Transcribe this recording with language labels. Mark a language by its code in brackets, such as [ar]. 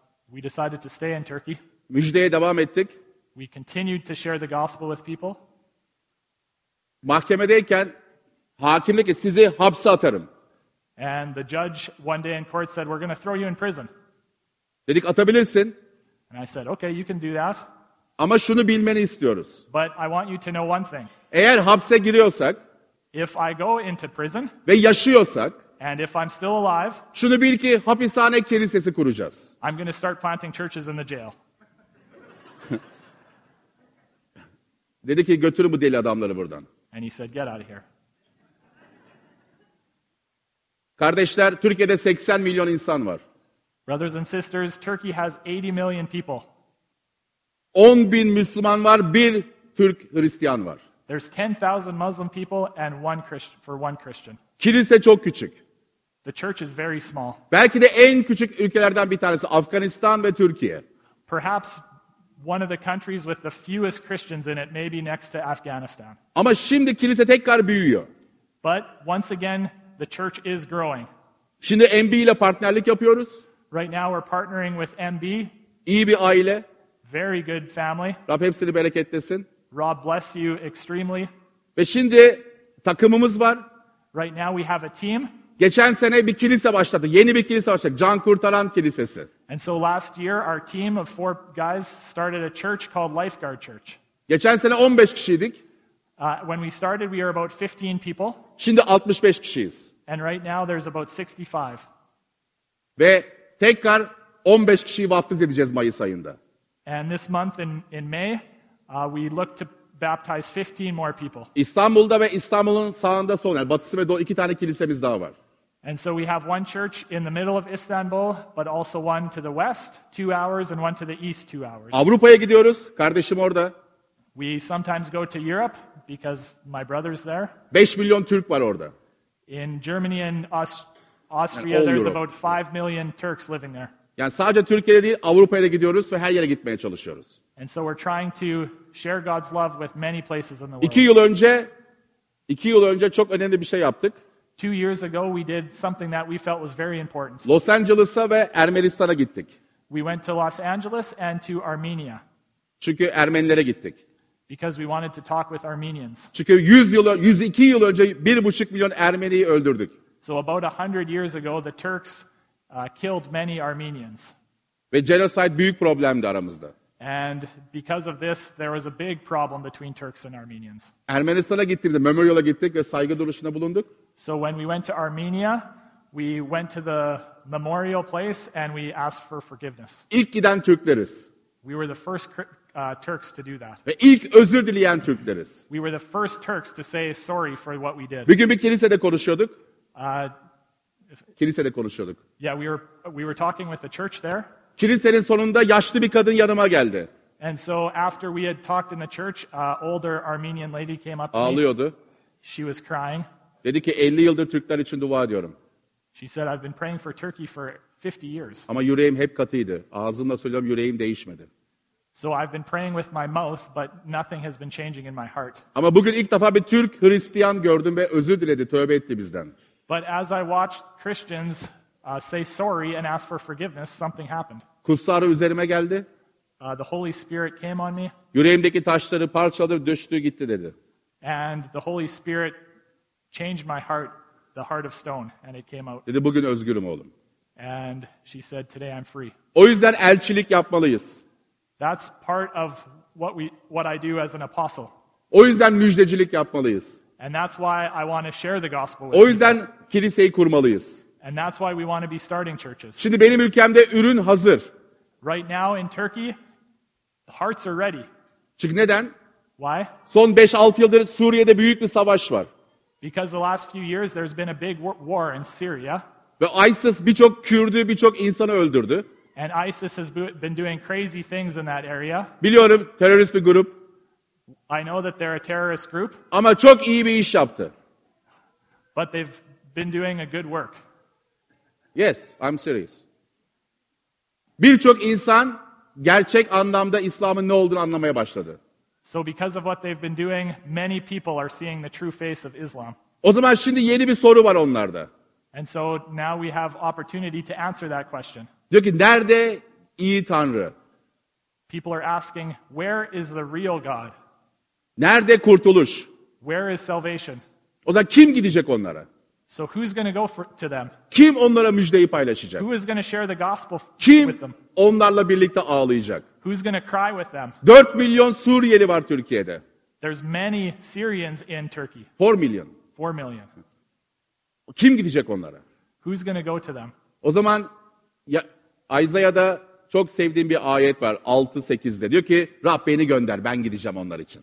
[en] We decided to stay in Turkey. [tr] Müjdeye devam ettik. [en] We continued to share the gospel with people. [tr] Mahkemedeyken hakimlik sizi hapse atarım. [en] And the judge one day in court said, we're going to throw you in prison. [tr] Dedik atabilirsin. [en] And I said, okay, you can do that. [tr] Ama şunu bilmeni istiyoruz. [en] But I want you to know one thing. [tr] Eğer hapse giriyorsak, [en] if I go into prison, [tr] ve yaşıyorsak, [en] and if I'm still alive, [tr] şunu bil ki hapishane kilisesi kuracağız. [en] I'm going to start planting churches in the jail. [tr] Dedi ki götürün bu deli adamları buradan. [en] And he said, get out of here. [tr] Kardeşler, Türkiye'de 80 milyon insan var. [en] Brothers and sisters, Turkey has 80 million people. [tr] 10 bin Müslüman var, bir Türk Hristiyan var. [en] There's 10,000 Muslim people and one Christian, for one Christian. [tr] Kilise çok küçük. [en] The church is very small. [tr] Belki de en küçük ülkelerden bir tanesi Afganistan ve Türkiye. [en] perhaps one of the countries with the fewest Christians in it, maybe next to Afghanistan. [tr] Ama şimdi kilise tekrar büyüyor. [en] But once again, the church is growing. [tr] Şimdi MB ile partnerlik yapıyoruz. [en] Right now we're partnering with MB. [tr] İyi bir aile. [en] Very good family. [tr] Rab hepsini bereketlesin. [en] Rob bless you extremely. [tr] Ve şimdi takımımız var. [en] Right now we have a team. [tr] Geçen sene bir kilise başladı. Yeni bir kilise başladı. Can Kurtaran Kilisesi. [en] And so last year our team of four guys started a church called Lifeguard Church. [tr] Geçen sene 15 kişiydik. [en] When we started we were about 15 people. [tr] Şimdi 65 kişiyiz. [en] And right now there's about 65. [tr] Ve tekrar 15 kişiyi vaftiz edeceğiz Mayıs ayında. [en] And this month in May, we look to baptize 15 more people. [tr] İstanbul'da ve İstanbul'un sağında solunda batısı ve doğu iki tane kilisemiz daha var. [en] And so we have one church in the middle of Istanbul, but also one to the west, 2 hours, and one to the east, 2 hours. [tr] Avrupa'ya gidiyoruz, kardeşim orada. [en] We sometimes go to Europe because my brother's there. [tr] 5 milyon Türk var orada. [en] In Germany and Austria, [tr] yani [en] there's Europe. About 5 million Turks living there. [tr] Yani sadece Türkiye'de değil, Avrupa'ya da gidiyoruz ve her yere gitmeye çalışıyoruz. [en] And so we're trying to share God's love with many places in the world. [tr] 2 yıl önce çok önemli bir şey yaptık. [en] 2 years ago we did something that we felt was very important. [tr] Los Angeles'a ve Ermenistan'a gittik. [en] We went to Los Angeles and to Armenia. [tr] Çünkü Ermenilere gittik. [en] Because we wanted to talk with Armenians. [tr] Çünkü 102 yıl önce 1,5 milyon Ermeni'yi öldürdük. [en] So about 100 years ago the Turks killed many Armenians. [tr] Ve genocide büyük problemdi aramızda. [en] And because of this there was a big problem between Turks and Armenians. [tr] Ermenistan'a gittiğimizde Memorial'a gittik ve saygı duruşuna bulunduk. [en] So when we went to Armenia, we went to the memorial place and we asked for forgiveness. [tr] İlk giden Türkleriz. [en] We were the first Turks to do that. [tr] Ve ilk özür dileyen Türkleriz. [en] We were the first Turks to say sorry for what we did. [tr] Bir gün bir kilisede konuşuyorduk. Kilisede konuşuyorduk. [en] Yeah, we were talking with the church there. [tr] Kilisenin sonunda yaşlı bir kadın yanıma geldi. [en] And so after we had talked in the church, older Armenian lady came up to [tr] Ağlıyordu. [en] Me. She was crying. [tr] Dedi ki 50 yıldır Türkler için dua ediyorum. [en] She said I've been praying for Turkey for 50 years. [tr] Ama yüreğim hep katıydı. Ağzımla söylüyorum yüreğim değişmedi. [en] So I've been praying with my mouth but nothing has been changing in my heart. [tr] Ama bugün ilk defa bir Türk Hristiyan gördüm ve özür diledi, tövbe etti bizden. [en] But as I watched Christians say sorry and ask for forgiveness, something happened. [tr] Kutsal Ruh üzerime geldi. [en] The Holy Spirit came on me. [tr] Yüreğimdeki taşları parçaladı, düştü gitti dedi. [en] And the Holy Spirit changed my heart, the heart of stone, and it came out. [tr] Dedi bugün özgürüm oğlum. [en] And she said, today I'm free. [tr] O yüzden elçilik yapmalıyız. [en] That's part of what I do as an apostle. [tr] O yüzden müjdecilik yapmalıyız. [en] And that's why I want to share the gospel with you. [tr] O yüzden kiliseyi kurmalıyız. [en] And that's why we want to be starting churches. [tr] Şimdi benim ülkemde ürün hazır. [en] Right now in Turkey, the hearts are ready. [tr] Çünkü neden? [en] Why? [tr] Son 5-6 yıldır Suriye'de büyük bir savaş var. [en] Because the last few years there's been a big war in Syria. [tr] Ve ISIS birçok Kürt'ü, birçok insanı öldürdü. [en] And ISIS has been doing crazy things in that area. [tr] Biliyorum, terörist bir grup. [en] I know that they're a terrorist group. [tr] Ama çok iyi bir iş yaptı. [en] But they've been doing a good work. Yes, I'm serious. [tr] Birçok insan gerçek anlamda İslam'ın ne olduğunu anlamaya başladı. [en] So because of what they've been doing, many people are seeing the true face of Islam. [tr] O zaman şimdi yeni bir soru var onlarda. [en] And so now we have opportunity to answer that question. [tr] Diyor ki, nerede iyi Tanrı? [en] People are asking, where is the real God? [tr] Nerede kurtuluş? [en] Where is salvation? [tr] O zaman kim gidecek onlara? [en] So who's going to go to them? [tr] Kim onlara müjdeyi paylaşacak? [en] Who is going to share the gospel [tr] kim [en] with them? [tr] Kim onlarla birlikte ağlayacak? [en] Who's going to cry with them? [tr] 4 milyon Suriyeli var Türkiye'de. [en] There's many Syrians in Turkey. [tr] 4 milyon. [en] 4 million. [tr] Kim gidecek onlara? [en] Who's going to go to them? [tr] O zaman Isaiah'da çok sevdiğim bir ayet var 6-8'de. Diyor ki Rab beni gönder ben gideceğim onlar için.